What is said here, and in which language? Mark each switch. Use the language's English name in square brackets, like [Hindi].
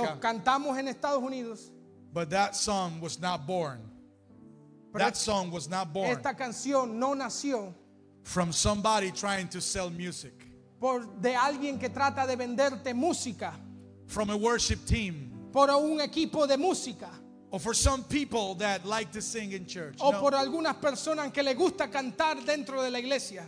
[Spanish] Lo cantamos en Estados Unidos. [English] But that song was not born. That song was not born. [Spanish] Esta canción no nació. [English] From somebody trying to sell music. [Spanish] Por de alguien que trata de venderte música. [English] From a worship team. [Spanish] Por un equipo de música. [English] Or for some people that like to sing in church. [Spanish] O por algunas personas que le gusta cantar dentro de la iglesia.